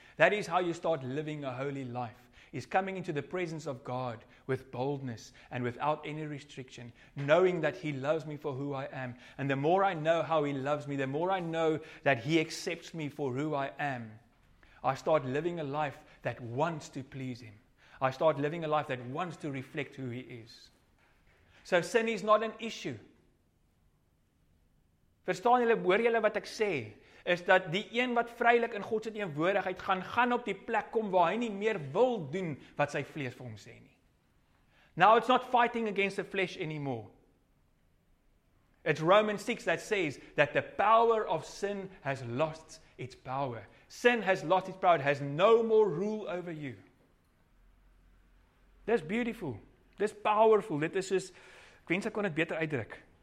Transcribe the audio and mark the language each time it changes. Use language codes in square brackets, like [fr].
[en] That is how you start living a holy life. Is coming into the presence of God with boldness and without any restriction, knowing that He loves me for who I am. And the more I know how He loves me, the more I know that He accepts me for who I am, I start living a life that wants to please Him. I start living a life that wants to reflect who He is. So sin is not an issue. [af] Verstaan julle, hoor julle wat ek sê, is dat die een wat vrylik in God se teenwoordigheid gaan op die plek kom waar hy nie meer wil doen wat sy vlees vir hom sê nie. [en] Now it's not fighting against the flesh anymore. It's Romans 6 that says that the power of sin has lost its power. Sin has lost its power, it has no more rule over you. That's beautiful. [af] Dis powerful, dit is soos, ek wens ek kon dit beter uitdruk.